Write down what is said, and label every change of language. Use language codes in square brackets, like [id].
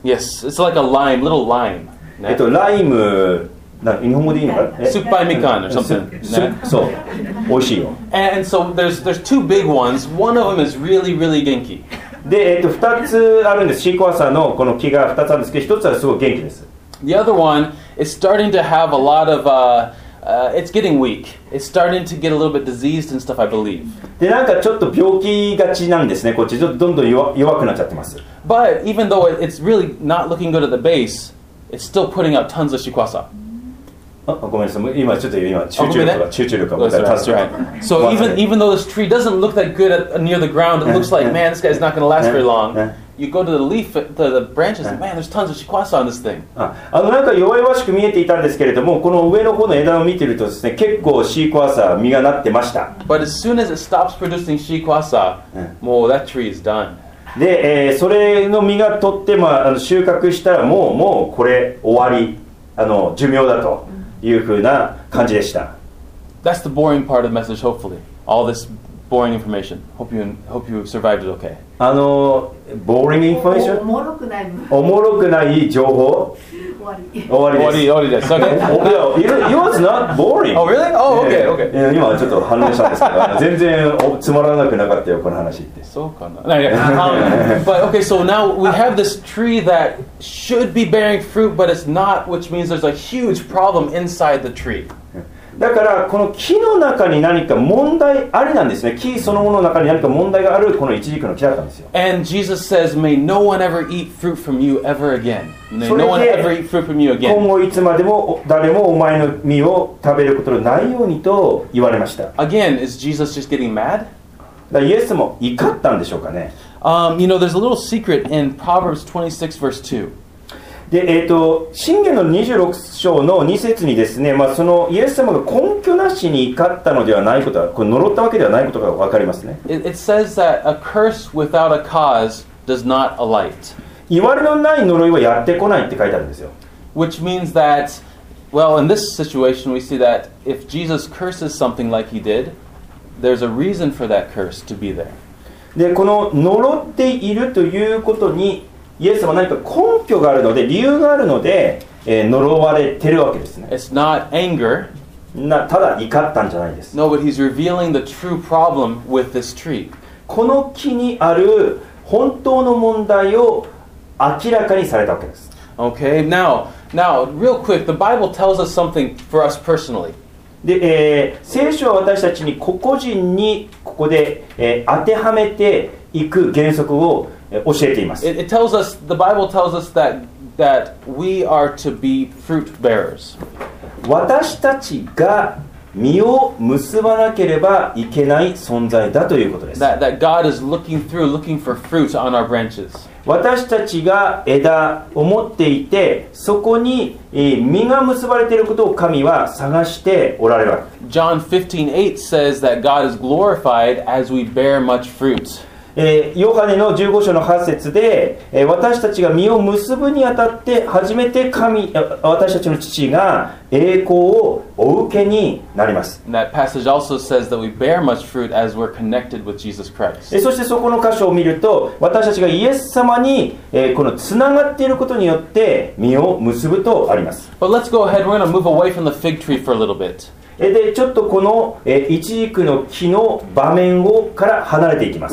[en] Yes, it's like a lime, little lime. [ja] ライム。日本語でいいのか？酸っぱいみかん [en] or something. [ja] そう、おいしいよ。 [en] And so there's two big ones. One of them is really, really [ja] 元気。で、2つあるんです。シークワーサーのこの木が2つあるんですけど、1つはすごい元気です。 [en] The other one is starting to have a lot of, it's getting weak. It's starting to get a little bit diseased and stuff, I believe. [ja] で、なんかちょっと病気がちなんですね、こっち。ちょっとどんどん弱くなっちゃってます。 [en] But even though it's really not looking good at the base, it's still putting out tons of シークワーサー。 [ja] ごめんなさい、今ちょっと集中力が問題が [en] That's right. So even though this tree doesn't look that good at, near the ground, it looks like, man, this guy's not going to last very long. You go to the leaf, the branches, man, there's tons of shikwasa on this thing. [ja] なんか弱々しく見えていたんですけれども、この上の方の枝を見てるとですね、結構shikwasa、実がなってました。 [en] But as soon as it stops producing shikwasa, もう that tree is done. [ja] で、それの実が取って、まあ、収穫したらもうこれ終わり、寿命だと。いうふうな感じでした。 [en] That's the boring part of the message, hopefully. All this boring information. Hope you survived it okay. Boring information? [ja] おもろくない情報終わりです。終わりです。 [en] Okay. It was not boring. Oh, really? Oh, okay. [ja] 今ちょっと反応したんですけど、全然つまらなくなかったよ、この話って。そうかな。 [en] But okay, so now we have this tree that should be bearing fruit, but it's not, which means there's a huge problem inside the tree. [ja] だからこの木の中に何か問題ありなんですね。木そのものの中に何か問題があるこのイチジクの木だったんですよ。 [en] And Jesus says, may no one ever eat fruit from you ever again. No one ever eat fruit from you again. [ja] 今後いつまでも誰もお前の実を食べることのないようにと言われました。 [en] Again, is Jesus just getting mad? [ja] だからイエスも怒ったんでしょうかね。 [en] You know, there's a little secret in Proverbs 26 verse 2. [ja] で箴言の26章の2節にですね、まあ、そのイエス様が根拠なしに怒ったのではないことは、これ呪ったわけではないことが分かりますね。 [en] It says that a curse without a cause does not alight. [ja] いわれのない呪いはやってこないって書いてあるんですよ。 [en] Which means that, well, in this situation we see that if Jesus curses something like he did, there's a reason for that curse to be there. [ja] で、この呪っているということにイエス様は何か根拠があるので、理由があるので、呪われてるわけですね。 [en] It's not anger. [ja] ただ怒ったんじゃないです。 [en] No, but he's revealing the true problem with this tree. [ja] この木にある本当の問題を明らかにされたわけです。 [en] Okay, now, real quick, the Bible tells us something for us personally. [ja] で、聖書は私たちに個々人にここで、当てはめていく原則を教えています。 [en] It tells us, the Bible tells us that we are to be fruit bearers. [ja] 私たちが実を結ばなければいけない存在だということです。 [en] That God is looking for fruit on our branches. [ja] 私たちが枝を持っていて、そこに実が結ばれていることを神は探しておられる。 [en] John 15:8 says that God is glorified as we bear much fruit. [ja] ヨハネの15章の8節で、私たちが実を結ぶにあたって初めて神、私たちの父が栄光をお受けになります。 [en] That passage also says that we bear much fruit as we're connected with Jesus Christ. [ja] そしてそこの箇所を見ると、私たちがイエス様に、このつながっていることによって実を結ぶとあります。 [en] But let's go ahead. We're going to move away from the fig tree for a little bit. [ja] でちょっとこの一軸の木の場面をから離れていきます。